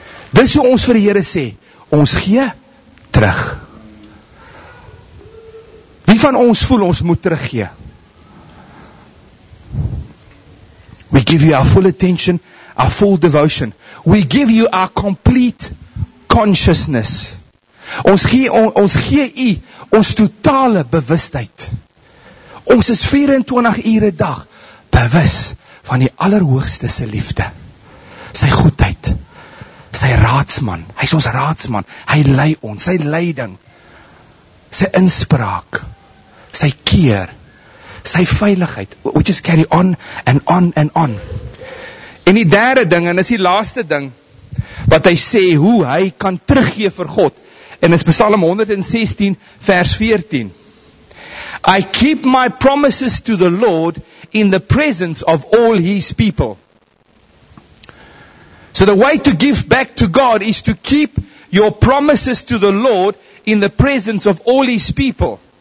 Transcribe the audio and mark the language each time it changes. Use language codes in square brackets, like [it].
[af] Dis hoe ons vir die Here sê, ons gee terug. Wie van ons voel ons moet teruggee? [en] We give you our full attention, our full devotion. We give you our complete consciousness. [af] Ons gee u ons totale bewustheid. Ons is 24 ure 'n dag bewus van die Allerhoogste se liefde. Sy goedheid. Sy raadsman. Hy is ons raadsman. Hy lei ons. Sy leiding. Sy inspraak. Sy keer. Sy veiligheid. [en] We just carry on and on and on. [af] En die derde ding, en is die laaste ding, wat hy sê, hoe hy kan teruggee vir God. En is Psalm 116 vers 14. [en] I keep my promises to the Lord in the presence of all His people. So the way to give back to God is to keep your promises to the Lord in the presence of all His people.